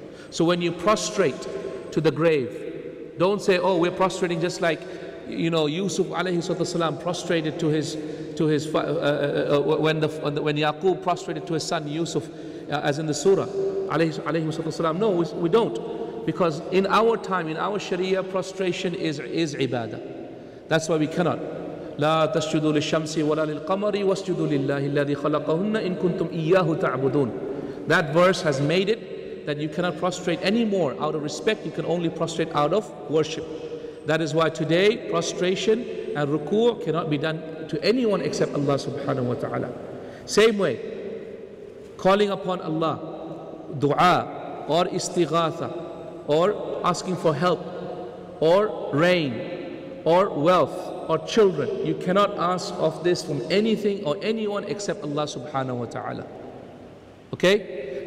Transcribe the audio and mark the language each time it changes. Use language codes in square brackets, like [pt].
[en] So when you prostrate to the grave, don't say, oh, we're prostrating just like, you know, Yusuf alayhi salam prostrated to when Yaqub prostrated to his son Yusuf, as in the surah, alayhi salam. No, we don't. Because in our time, in our Sharia, prostration is ibadah. That's why we cannot. [ar] لا تسجدوا للشمس ولا للقمر واسجدوا لله الذي خلقهن إن كنتم إياه تعبدون. [en] That verse has made it that you cannot prostrate anymore out of respect, you can only prostrate out of worship. That is why today, prostration and ruku' cannot be done to anyone except Allah subhanahu wa ta'ala. Same way, calling upon Allah, dua, or istighatha, or asking for help, or rain, or wealth, or children, you cannot ask of this from anything or anyone except Allah subhanahu wa ta'ala. Okay?